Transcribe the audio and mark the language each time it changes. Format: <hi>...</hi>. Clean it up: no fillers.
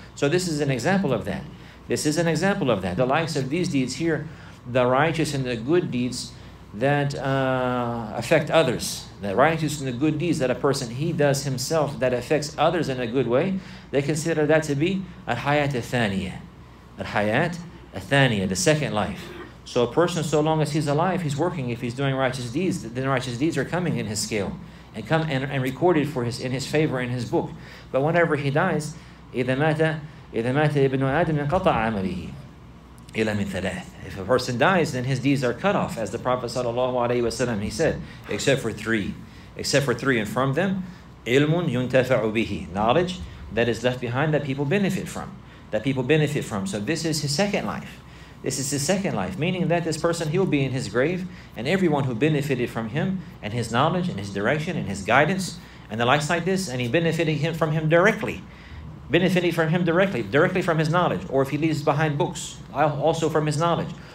<en>So this is an example of that. The likes of these deeds here, the righteous and the good deeds that affect others, the righteous and the good deeds that a person he does himself that affects others in a good way, they consider that to be al-hayat al-thaniya. Al-hayat al-thaniya, the second life. So a person, so long as he's alive, he's working. If he's doing righteous deeds, then righteous deeds are coming in his scale. And come and recorded for his in his favor in his book. But whenever he dies,</en> <ar>إذا مات ابن آدم انقطع عمله إلى من ثلاث.</ar> <en>If a person dies, then his deeds are cut off, as the Prophet sallallahu alaihi wasallam he said, except for three, and from them,</en> <ar>ilmun yuntafa'u bihi,</ar> <en>knowledge that is left behind that people benefit from. So this is his second life. This is his second life, meaning that this person, he will be in his grave, and everyone who benefited from him and his knowledge and his direction and his guidance and the likes like this, and he benefiting from him directly from his knowledge, or if he leaves behind books, also from his knowledge,</en>